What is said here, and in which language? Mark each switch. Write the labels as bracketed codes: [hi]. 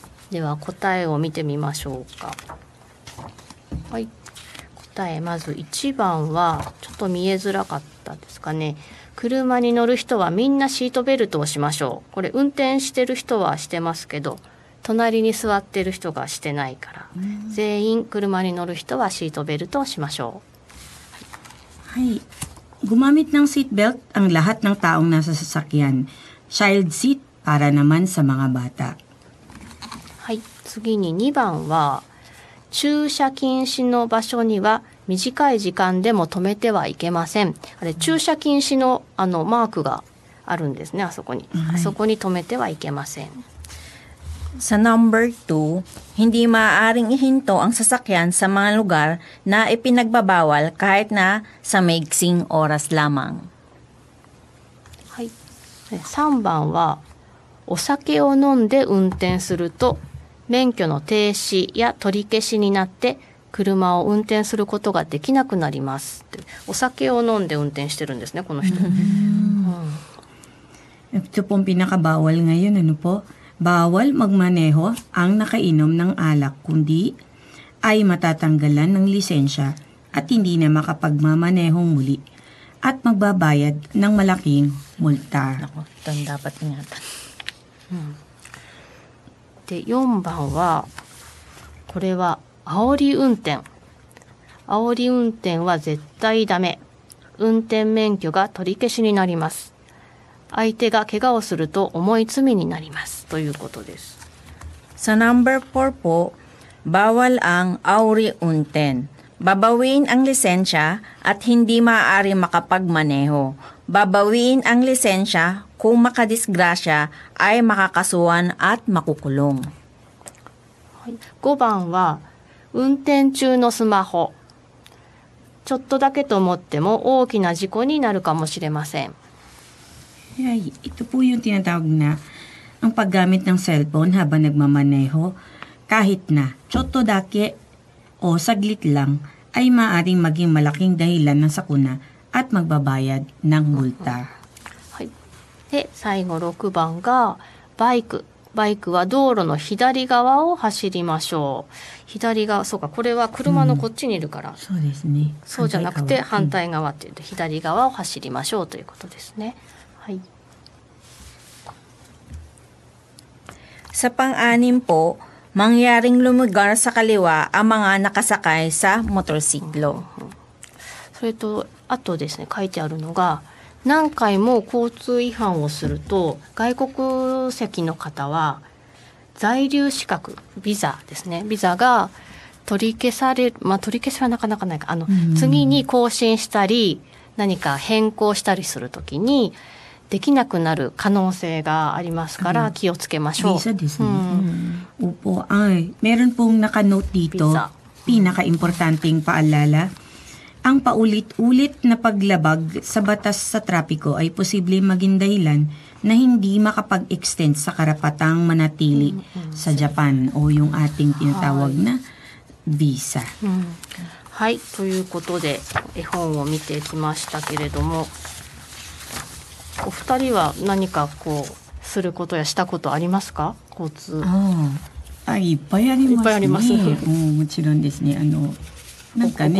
[ja] では答えを見てみましょうか。はい、答えまず1番はちょっと見えづらかったですかね。車に乗る人はみんなシートベルトをしましょう。これ運転してる人はしてますけど、隣に座ってる人がしてないから、全員車に乗る人はシートベルトをしましょう。 [tl] はい、gumamit ng seat belt ang lahat ng taong nasa sasakyan. Child seat para naman sa mga bata. [ja] はい、次に2番は駐車禁止の場所には短い時間でも止めてはいけません。あれ、駐車禁止の、マークがあるんですね、あそこに。はい、あそこに止めてはいけません。 [tl] Sa number 2, hindi maaaring ihinto ang sasakyan sa mga lugar na ipinagbabawal kahit na sa maigsing oras lamang. [ja] はい。 3番は、お酒を飲んで運転すると、免許の停止や取り消しになって車を運転することができなくなります。お酒を飲んで運転してるんですね、この人。 [tl] Ito pong pinakabawal ngayon, ano po? Bawal magmaneho ang nakainom ng alak, kundi ay matatanggalan ng lisensya at hindi na makapagmamaneho muli at magbabayad ng malaking multa. Ako, ito ang dapat ingatan. [ja] で4番は、これは煽り運転。煽り運転は絶対ダメ。運転免許が取り消しになります。相手が怪我をすると重い罪になります。ということです。 [tl] Sa number 4 po, bawal ang煽り運転。 Babawin ang lisensya at hindi maaari makapagmaneho. Babawin ang lisensya kung makadisgrasya ay makakasuhan at makukulong. [ja] 5番は、運転中のスマホ。ちょっとだけと思っても大きな事故になるかもしれません。 [tl] はい、ito po yung tinatawag na ang paggamit ng cellphone habang nagmamaneho, kahit na [ja] chotto dake [tl] o saglit lang, ay maaaring maging malaking dahilan ng sakuna at magbabayad ng multa. [ja] はい。で、最後6番がバイク。バイクは道路の左側を走りましょう。左側、そうか、これは車のこっちにいるから。そうですね。そうじゃなくて反対側っていうと、左側を走りましょうということですね。はい。 [tl] Sa pang-anim po, mangyaring lumugar sa kaliwa ang mga nakasakay sa motorsiklo. [ja] それと、あとですね、書いてあるのが、何回も交通違反をすると、外国籍の方は、在留資格、ビザですね、ビザが取り消され、まあ取り消しはなかなかないか、次に更新したり、何か変更したりするときに、できなくなる可能性がありますから気をつけましょう。ビザですね。 [tl] Opo, ay, meron pong naka-note dito, pinaka-importanteng paalala. Ang paulit-ulit na paglabag sa batas sa trapiko ay posibleng maging dahilan na hindi makapag-extend sa karapatang manatili sa Japan o yung ating tinatawag na visa. [ja] はい、ということで絵本を見てきましたけれども、お二人は何かこうすることやしたことありますか、交通。いっぱいありますね。いっぱいあります、うん、もちろんですね、あのなんかね、